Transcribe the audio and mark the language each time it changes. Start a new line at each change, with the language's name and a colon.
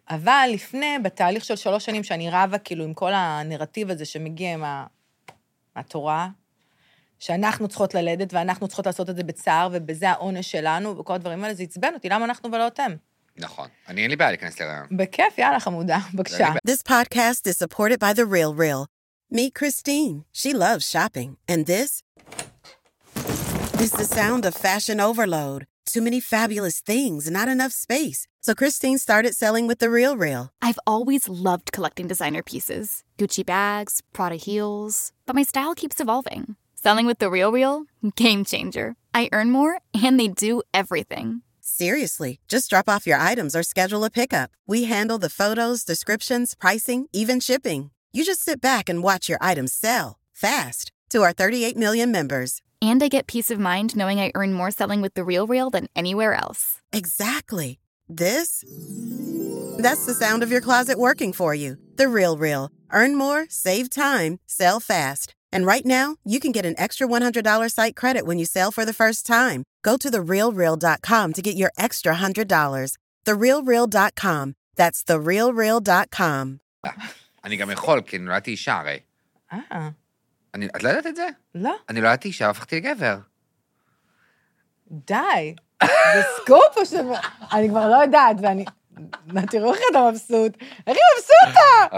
Hebrew: אבל לפני, בתהליך של 3 שנים, שאני רבה כאילו עם כל הנרטיב הזה שמגיע עם התורה, שאנחנו צריכות ללדת, ואנחנו צריכות לעשות את זה בצער, ובזה העונש שלנו, וכל הדברים האלה, זה עצבן אותי, למה אנחנו ולא אתם? נכון. אני אין לי בעיה להיכנס לרעיון. בכיף, יאללה חמודה, בבקשה.
English: This podcast is supported by The Real Real. Meet Christine. She loves shopping. And this? This is the sound of fashion overload. Too many fabulous things, not enough space. So Christine started selling with The Real Real. I've always loved collecting designer pieces. Gucci bags, Prada heels. But my style keeps evolving. Selling with The Real Real? Game changer. I earn more, and they do everything. Seriously, just drop off your items or schedule a pickup. We handle the photos, descriptions, pricing, even shipping. You just sit back and watch your items sell, fast, to our 38 million members. And I get peace of mind knowing I earn more selling with The Real Real than anywhere else. Exactly. This? That's the sound of your closet working for you. The Real Real. Earn more, save time, sell fast. And right now, you can get an extra $100 site credit when you sell for the first time. Go to TheRealReal.com to get your extra $100. TheRealReal.com. That's TheRealReal.com.
Hebrew: אני גם יכול, כי נולדתי אישה הרי. את לא יודעת את זה? לא. אני לא יודעתי אישה, הפכתי לגבר. די. בסקופו של... אני כבר לא יודעת, ואני... תראו איך אתה מבסוט. איך היא מבסוטה?